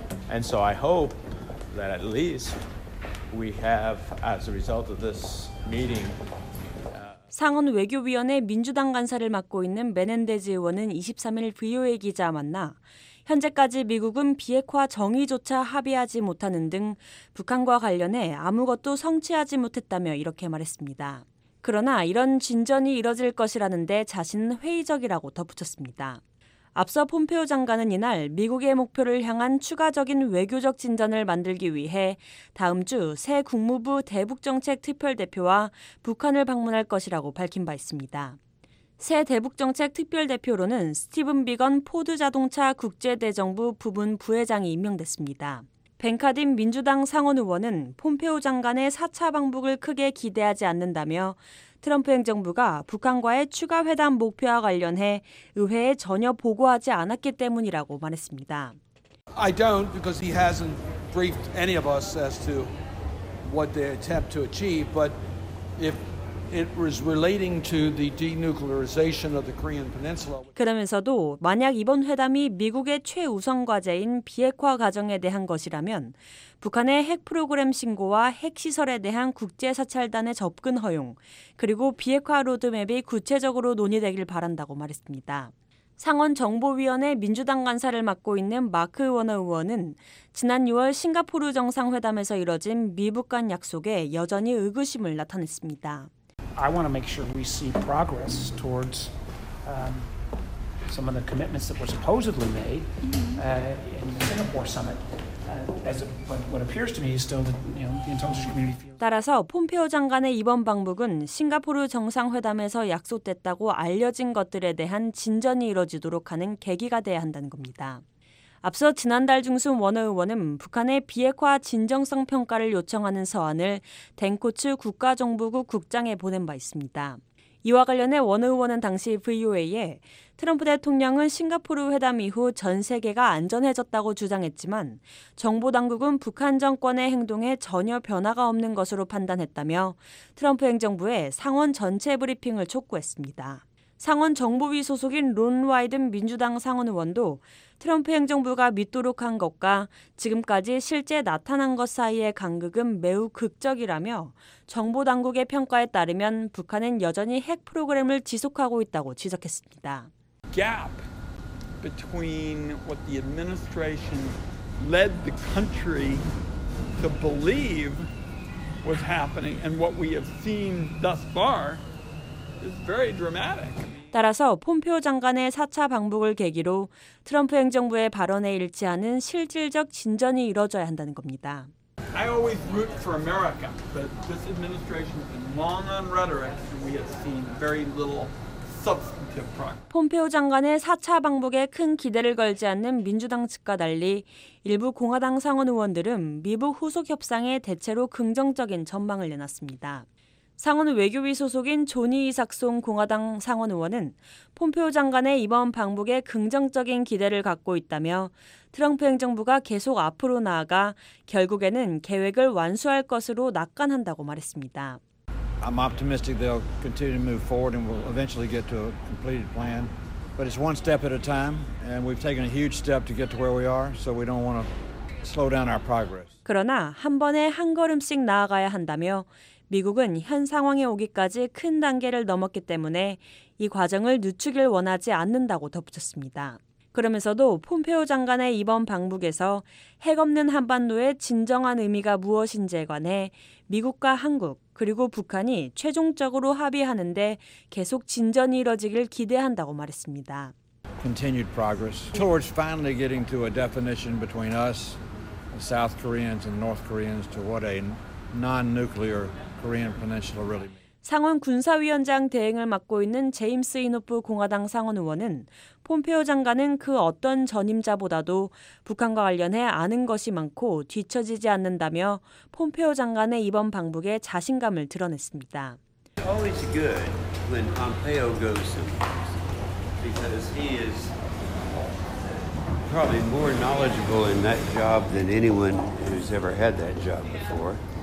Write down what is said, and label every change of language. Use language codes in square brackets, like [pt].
[en] And so I hope that at least we have, as a result of this meeting, [ko] 상원 외교위원회 민주당 간사를 맡고 있는 메넨데즈 의원은 23일 VOA 기자와 만나 현재까지 미국은 비핵화 정의조차 합의하지 못하는 등 북한과 관련해 아무것도 성취하지 못했다며 이렇게 말했습니다. 그러나 이런 진전이 이뤄질 것이라는데 자신은 회의적이라고 덧붙였습니다. 앞서 폼페오 장관은 이날 미국의 목표를 향한 추가적인 외교적 진전을 만들기 위해 다음 주 새 국무부 대북정책특별대표와 북한을 방문할 것이라고 밝힌 바 있습니다. 새 대북정책특별대표로는 스티븐 비건 포드자동차 국제대정부 부문 부회장이 임명됐습니다. 벤카딘 민주당 상원 의원은 폼페오 장관의 4차 방북을 크게 기대하지 않는다며 트럼프 행정부가 북한과의 추가 회담 목표와 관련해 의회에 전혀 보고하지 않았기 때문이라고 말했습니다. [en] I don't because he hasn't briefed any of us as to what they attempt to achieve, but if it was relating to the denuclearization of the Korean Peninsula. [ko] 그러면서도 만약 이번 회담이 미국의 최우선 과제인 비핵화 과정에 대한 것이라면 북한의 핵 프로그램 신고와 핵 시설에 대한 국제 사찰단의 접근 허용 그리고 비핵화 로드맵이 구체적으로 논의되길 바란다고 말했습니다. 상원 정보위원회 민주당 간사를 맡고 있는 마크 워너 의원은 지난 6월 싱가포르 정상회담에서 이뤄진 미북 간 약속에 여전히 의구심을 나타냈습니다. [en] I want to make sure we see progress towards some of the commitments that were supposedly made in the Singapore summit. What appears to me is still that, you know, the intelligence community feels. [ko] 따라서 폼페오 장관의 이번 방북은 싱가포르 정상회담에서 약속됐다고 알려진 것들에 대한 진전이 이루어지도록 하는 계기가 돼야 한다는 겁니다. 앞서 지난달 중순 원어 의원은 북한의 비핵화 진정성 평가를 요청하는 서한을 댄코츠 국가정보국 국장에 보낸 바 있습니다. 이와 관련해 원어 의원은 당시 VOA에 트럼프 대통령은 싱가포르 회담 이후 전 세계가 안전해졌다고 주장했지만 정보 당국은 북한 정권의 행동에 전혀 변화가 없는 것으로 판단했다며 트럼프 행정부에 상원 전체 브리핑을 촉구했습니다. 상원 정보위 소속인 론 와이든 민주당 상원 의원도 트럼프 행정부가 믿도록 한 것과 지금까지 실제 나타난 것 사이의 간극은 매우 극적이라며 정보 당국의 평가에 따르면 북한은 여전히 핵 프로그램을 지속하고 있다고 지적했습니다. [en] Gap between what the administration led the country to believe was happening and what we have seen thus far is very dramatic. [ko] 따라서 폼페오 장관의 4차 방북을 계기로 트럼프 행정부의 발언에 일치하는 실질적 진전이 이루어져야 한다는 겁니다. [en] I always root for America, but this administration has been long on rhetoric and we have seen very little substantive progress. [ko] 폼페오 장관의 4차 방북에 큰 기대를 걸지 않는 민주당 측과 달리 일부 공화당 상원 의원들은 미북 후속 협상에 대체로 긍정적인 전망을 내놨습니다. 상원 외교위 소속인 조니 이삭송 공화당 상원 의원은 폼페오 장관의 이번 방북에 긍정적인 기대를 갖고 있다며 트럼프 행정부가 계속 앞으로 나아가 결국에는 계획을 완수할 것으로 낙관한다고 말했습니다. [en] I'm optimistic they'll continue to move forward and we'll eventually get to a completed plan. But it's one step at a time and we've taken a huge step to get to where we are, so we don't want to slow down our progress. [ko] 그러나 한 번에 한 걸음씩 나아가야 한다며 미국은 현 상황에 오기까지 큰 단계를 넘었기 때문에 이 과정을 늦추길 원하지 않는다고 덧붙였습니다. 그러면서도 폼페오 장관의 이번 방북에서 핵 없는 한반도의 진정한 의미가 무엇인지에 관해 미국과 한국 그리고 북한이 최종적으로 합의하는 데 계속 진전이 이뤄지길 기대한다고 말했습니다. [en] Continued progress towards finally getting to a definition between us, South Koreans and North Koreans to what a non-nuclear Korean Peninsula really. [ko] 상원 군사위원장 대행을 맡고 있는 제임스 이노프 공화당 상원 의원은 폼페오 장관은 그 어떤 전임자보다도 북한과 관련해 아는 것이 많고 뒤처지지 않는다며 폼페오 장관의 이번 방북에 자신감을 드러냈습니다. [en] It's always good when Pompeo goes because he is probably more knowledgeable in that job than anyone who's ever had that job before.